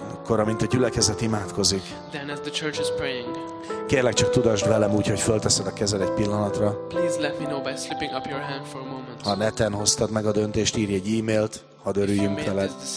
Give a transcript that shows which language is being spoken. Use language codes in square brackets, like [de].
[hu] akkor, amint a gyülekezet imádkozik. [en] Then as the church is praying. [hu] Kérlek, csak tudasd velem úgy, hogy fölteszed a kezed egy pillanatra. [en] Please let me know by slipping up your hand for a moment. [hu] Ha neten hoztad meg a döntést, írj egy e-mailt, hadd örüljünk veled.